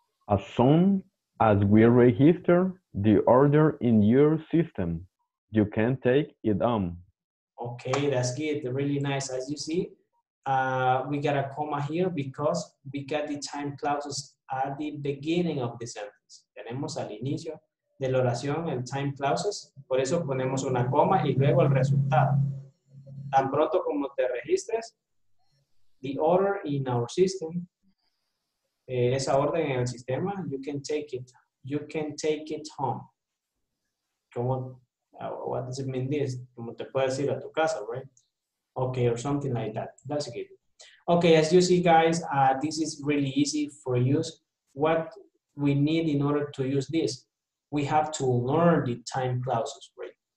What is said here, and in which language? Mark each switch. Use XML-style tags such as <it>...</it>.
<en>As soon as we register the order in your system, you can take it on. Okay, that's good. Really nice. As you see, we got a comma here because we got the time clauses at the beginning of the sentence.</en> <es>Tenemos al inicio de la oración el time clauses. Por eso ponemos una coma y luego el resultado. Tan pronto como te registres,</es> <en>the order in our system,</en> <es>esa orden en el sistema,</es> <en>you can take it. You can take it home. Como, what does it mean this?</en> <es>Como te puedes ir a tu casa, right?</es> <en>Okay, or something like that. That's good. Okay, as you see, guys, this is really easy for use. What we need in order to use this, we have to learn the time clauses, right?</en>